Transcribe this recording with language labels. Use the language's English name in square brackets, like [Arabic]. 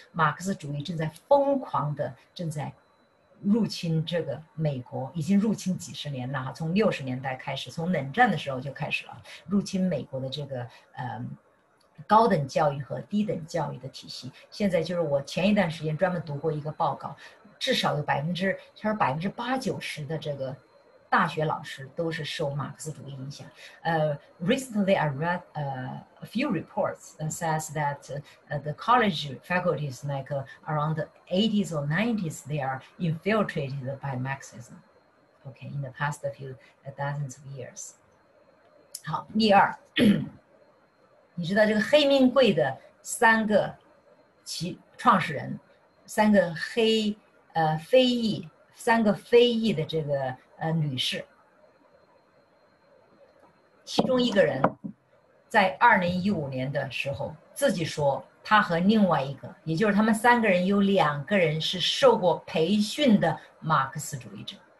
[Chinese] 马克思主义正在疯狂的正在入侵这个美国，已经入侵几十年了，从六十年代开始，从冷战的时候就开始了入侵美国的这个高等教育和低等教育的体系。现在就是我前一段时间专门读过一个报告，至少有80-90%的这个大学老师都是受马克思主义影响。 [English] Recently I read a few reports that says that the college faculties like around the 80s or 90s they are infiltrated by Marxism. Okay, in the past few dozens of years. [Chinese] 好，第二，你知道这个黑命贵的三个其创始人，三个黑非裔，三个非裔的这个女士，其中一个人在2015年的时候自己说，他和另外一个，也就是他们三个人，有两个人是受过培训的马克思主义者。